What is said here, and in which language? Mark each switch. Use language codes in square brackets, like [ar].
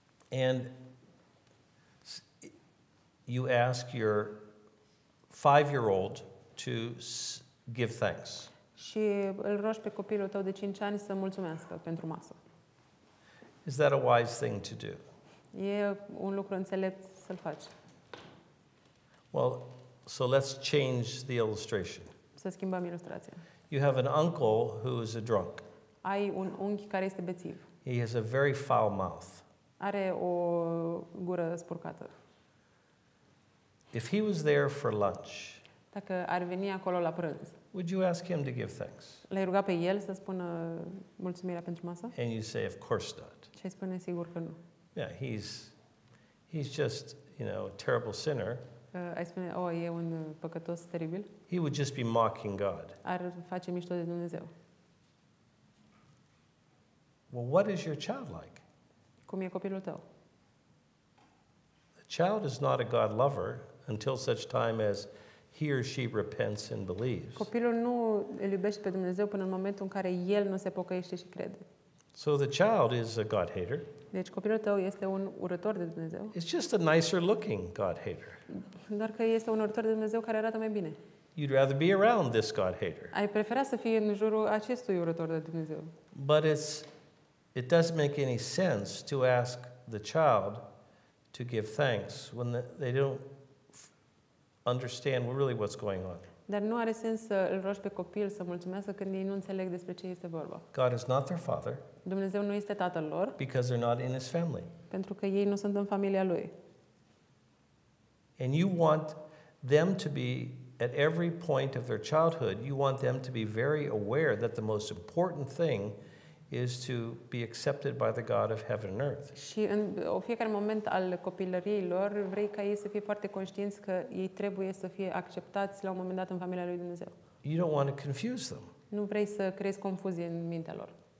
[en] And you ask your 5-year-old to give thanks. [ro] Și îl rogi pe copilul tău de 5 ani să mulțumească pentru masă. [en] Is that a wise thing to do? [ro] E un lucru înțelept să-l faci. [en] Well, so let's change the illustration. [ro] Să schimbăm ilustrația. [en] You have an uncle who is a drunk. [ro] Ai un unchi care este bețiv. [en] He has a very foul mouth. [ro] Are o gură spurcată. [en] If he was there for lunch, [ro] dacă ar veni acolo la prânz, [en] would you ask him to give thanks? [ro] L-ai rugat pe el să spună mulțumirea pentru masă? [en] And you say, of course not. [ro] Și ai spune, sigur că nu. [en] Yeah, he's just, you know, a terrible sinner. [ro] Ai spune, oh, e un păcătos teribil. [en] He would just be mocking God. [ro] Ar face mișto de Dumnezeu. [en] Well, what is your child like? [ro] Cum e copilul tău? [en] The child is not a God lover until such time as he or she repents and believes. [ro] Copilul nu îl iubește pe Dumnezeu până în momentul în care el nu se pocăiește și crede. [en] So the child is a God hater. [ro] Deci copilul tău este un urător de Dumnezeu. [en] It's just a nicer looking God hater. [ro] Doar că este un urător de Dumnezeu care arată mai bine. [en] You'd rather be around this God hater. [ro] Ai prefera să fii în jurul acestui urător de Dumnezeu. [en] But it doesn't make any sense to ask the child to give thanks when they don't understand really what's going on. [ro] Dar nu are sens să îl rogi pe copil să mulțumească când ei nu înțeleg despre ce este vorba. [en] God is not their father. [ro] Dumnezeu nu este tatăl lor. [en] Because they're not in his family. [ro] Pentru că ei nu sunt în familia lui. [en] And you want them to be at every point of their childhood, you want them to be very aware that the most important thing is to be accepted by the God of heaven and earth. [ro] Și în fiecare moment al copilăriei lor, vrei ca ei să fie foarte conștienți că ei trebuie să fie acceptați la un moment dat în familia lui Dumnezeu. [en] You don't want to confuse them. [ro] Nu vrei să creezi confuzie în mintea lor.